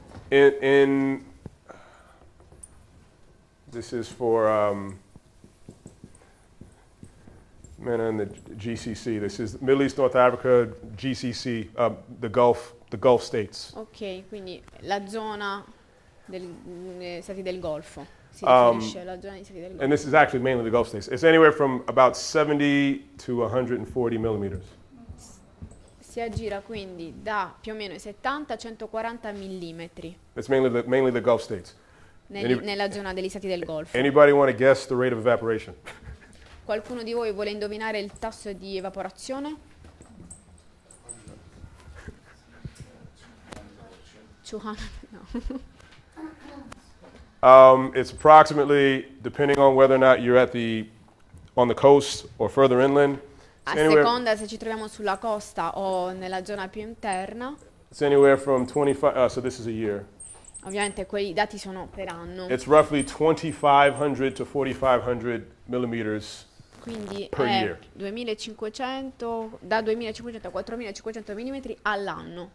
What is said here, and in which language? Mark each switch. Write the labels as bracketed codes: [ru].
[en] In this is for men in the GCC. This is Middle East, North Africa, GCC, the Gulf states. [it] Okay, quindi la zona dei stati del Golfo. [en] And this is actually mainly the Gulf states. It's anywhere from about 70 to 140 millimeters. [it] Si aggira quindi da più o meno 70 a 140 millimetri. [en] It's mainly the Gulf states. [it] Nella zona degli stati del Golfo. [en] Anybody want to guess the rate of evaporation? [it] Qualcuno di voi vuole indovinare il tasso di evaporazione? [en] No. It's approximately, depending on whether or not you're at the on the coast or further inland. [it] A seconda se ci troviamo sulla costa o nella zona più interna. [en] It's anywhere from 25. So this is a year. [it] Ovviamente quei dati sono per anno. [en] It's roughly 2,500 to 4,500 millimeters. [it] Quindi per è [en] year. [it] 2,500 da 2,500 a 4,500 millimetri all'anno.